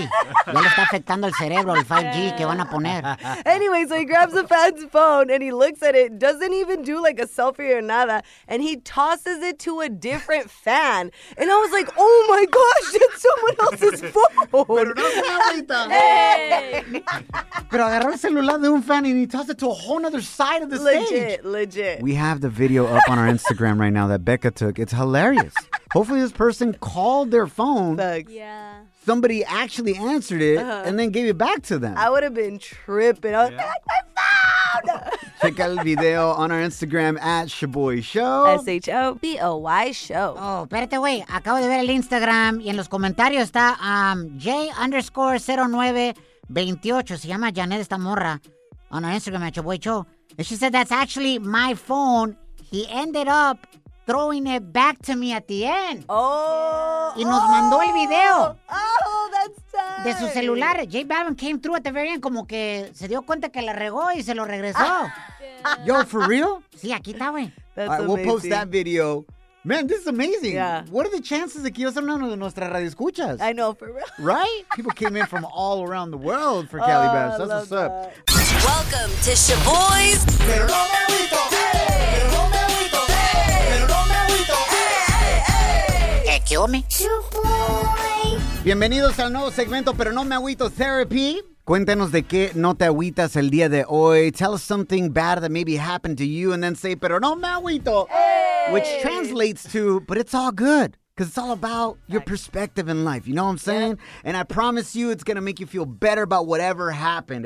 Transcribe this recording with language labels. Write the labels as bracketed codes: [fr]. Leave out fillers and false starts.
[es] Ya le está afectando el cerebro, el 5G que van a poner. [en] Anyway, so he grabs the fan's phone and he looks at it, doesn't even do like a selfie or nada, and he tosses it to a different fan. And I was like, oh my gosh, it's someone else's phone. [es] Pero no ahorita. Pero agarró el celular de un [en] fan and he tossed it to a whole other side of the stage. Legit. We have the video up on our Instagram right now that Becca took. It's hilarious. Hopefully this person called their phone. Thanks. Yeah. Somebody actually answered it and then gave it back to them. I would have been tripping. I was like, my phone! Check out the video on our Instagram at Shaboy Show. Shaboy Show. [es] Oh, espérate, güey. Acabo de ver el Instagram y en los comentarios está J_0928. Se llama Janet esta morra [en] on our Instagram at Shaboy Show. And she said, that's actually my phone. He ended up throwing it back to me at the end. Oh. [es] Y nos mandó el video. [en] Oh, that's tight. [es] De su celular. J Balvin [en] came through at the very end [es] como que se dio cuenta que la regó y se lo regresó. [en] Yo, for real? [es] Sí, aquí está, güey. [en] That's amazing. All right, we'll post that video. Man, this is amazing. Yeah. What are the chances that Kiosk [es] uno de nuestras radioescuchas? [en] I know, for real. Right? People came in from all around the world for Cali Bash. That's what's up. Welcome to Shaboy's. [es] Pero no me agüito. Pero no me agüito. [en] Que kill me. [es] Bienvenidos al nuevo segmento, pero no me agüito, Therapy. Cuéntanos de qué no te agüitas el día de hoy. [en] Tell us something bad that maybe happened to you and then say, [es] pero no me agüito. [en] Hey. Which translates to, but it's all good. Because it's all about your perspective in life. You know what I'm saying? Yeah. And I promise you, it's going to make you feel better about whatever happened.